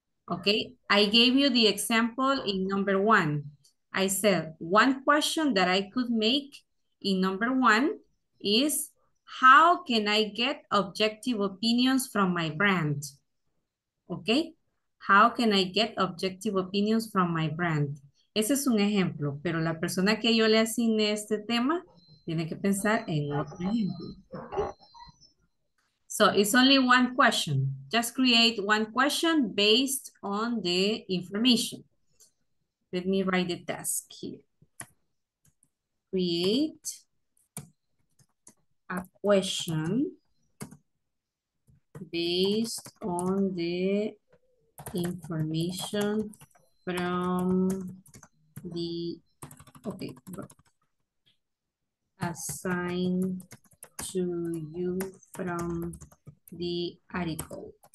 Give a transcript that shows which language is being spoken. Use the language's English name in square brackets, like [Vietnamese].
[English] Okay, I gave you the example in number one. I said one question that I could make in number one is, how can I get objective opinions from my brand? Okay, how can I get objective opinions from my brand? [Spanish] Ese es un ejemplo, pero la persona que yo le asigné este tema tiene que pensar en otro ejemplo. [English] So it's only one question. Just create one question based on the information. Let me write the task here. Create a question based on the information from the, okay, assign to you from the article.